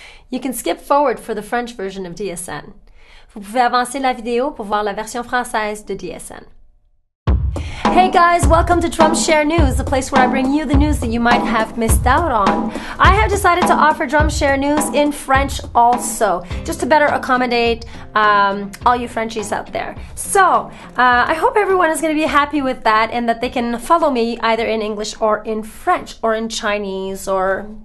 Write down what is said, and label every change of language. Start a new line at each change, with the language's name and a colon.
English: You can skip forward for the French version of DSN.
French: Vous pouvez avancer la vidéo pour voir la version française de DSN.
English: Hey guys, welcome to DrumShare News, the place where I bring you the news that you might have missed out on. I have decided to offer DrumShare News in French also, just to better accommodate all you Frenchies out there. So, I hope everyone is going to be happy with that and that they can follow me either in English or in French or in Chinese or...